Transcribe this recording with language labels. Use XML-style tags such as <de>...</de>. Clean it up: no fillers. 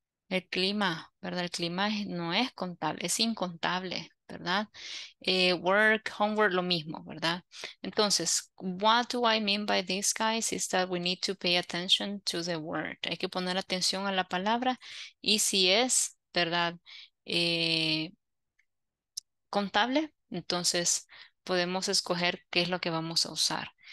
<es>El clima, ¿verdad? El clima no es contable, es incontable, ¿verdad? Work, homework, lo mismo, ¿verdad? Entonces,</es> <en>what do I mean by this, guys, is that we need to pay attention to the word.</en> <es>Hay que poner atención a la palabra y si es, ¿verdad? Contable, entonces podemos escoger qué es lo que vamos a usar.</es>